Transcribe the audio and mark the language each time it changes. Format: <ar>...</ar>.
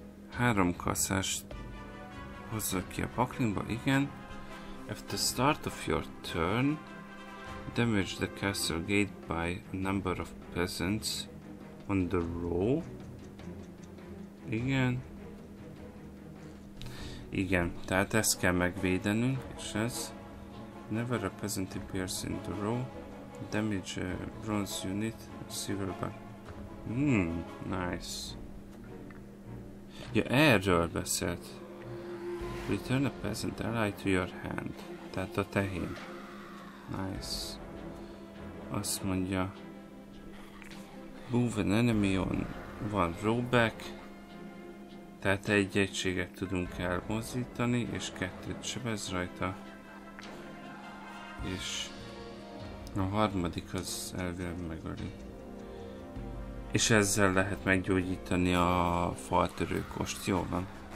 <hu>Három kaszást hozza ki a paklimba, igen.</hu> <en>At the start of your turn, damage the castle gate by a number of peasants on the row.</en> <hu>Igen. Igen, tehát ezt kell megvédenünk, és ez.</hu> <en>Never a peasant appears in the row. Damage a bronze unit, a silverback. Nice.</en> <hu>Ja, erről beszélt.</hu> <en>Return a peasant ally to your hand.</en> <hu>Tehát a tehén. Nice. Azt mondja.</hu> <en>Move an enemy on one rowback.</en> <hu>Tehát egy egységet tudunk elmozdítani, és kettőt sebez rajta. És a harmadik az elvileg megöli. És ezzel lehet meggyógyítani a faltörőkost. Jó van.</hu>